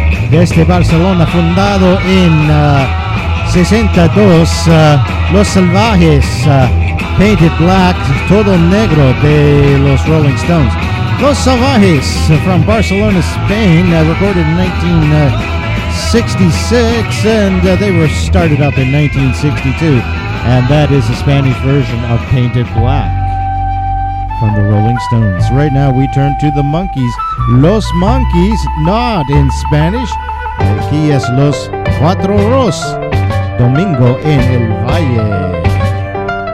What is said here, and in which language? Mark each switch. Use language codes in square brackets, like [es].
[es] desde Barcelona, fundado en 62, Los Salvajes, Painted Black, todo negro de los Rolling Stones. [en] Los Salvajes, from Barcelona, Spain, recorded in 1966, and they were started up in 1962. And that is a Spanish version of Painted Black from the Rolling Stones. Right now we turn to the Monkees. Los Monkees, not in Spanish. [es] Aquí es Los Cuatro Ros, Domingo en el Valle.